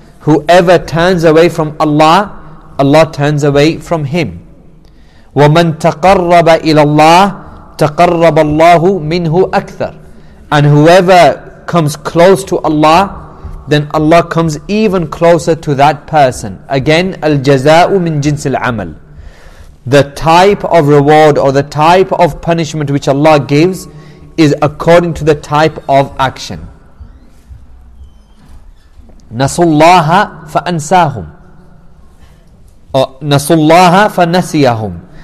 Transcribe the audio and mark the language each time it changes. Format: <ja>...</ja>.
<en>Whoever turns away from Allah, Allah turns away from him.</en> <ar>وَمَنْ تَقَرَّبَ إِلَى اللَّهِ تَقَرَّبَ اللَّهُ مِنْهُ أَكْثَرُ.</ar> <en>And whoever comes close to Allah, then Allah comes even closer to that person.</en> <ar>Again, الْجَزَاءُ مِنْ جِنْسِ الْعَمَلِ.</ar> <en>The type of reward or the type of punishment which Allah gives is according to the type of action.</en> <ar>Nasullaha fa'ansahum. Nasullaha fa'nasiyahum.</ar>